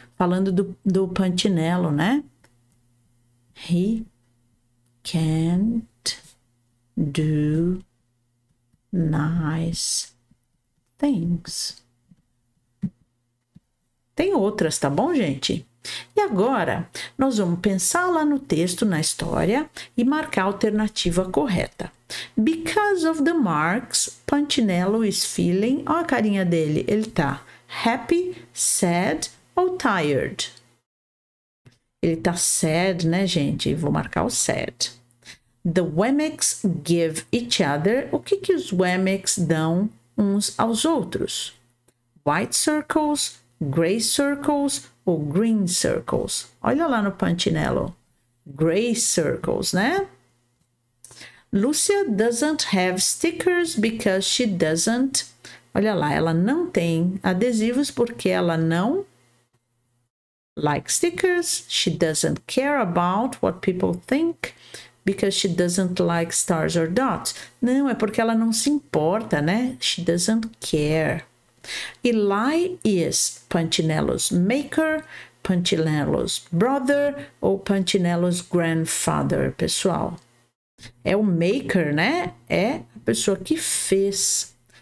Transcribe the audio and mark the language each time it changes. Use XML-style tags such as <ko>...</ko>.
<pt>Falando do Pantinello, né?</pt> <en>He can't do nice things.</en> <pt>Tem outras, tá bom, gente? E agora, nós vamos pensar lá no texto, na história, e marcar a alternativa correta.</pt> <en>Because of the marks, Pantinello is feeling.</en> <pt>Olha a carinha dele, ele tá</pt> <en>happy, sad</en> <pt>ou</pt> <en>tired?</en> <pt>Ele tá sad, né, gente? Vou marcar o sad.</pt> <en>The Wemmicks give each other.</en> <pt>O que que os Wemmicks dão uns aos outros?</pt> <en>White circles, gray circles ou green circles?</en> <pt>Olha lá no Punchinello.</pt> <en>Gray circles,</en> <pt>né?</pt> <en>Lucia doesn't have stickers because she doesn't.</en> <pt>Olha lá, ela não tem adesivos porque ela não</pt> <en>like stickers. She doesn't care about what people think. Because she doesn't like stars or dots.</en> <pt>Não, é porque ela não se importa, né?</pt> <en>She doesn't care. Eli is Punchinello's maker, Punchinello's brother ou Punchinello's grandfather, pessoal.</en> <pt>É o maker, né? É a pessoa que fez.</pt>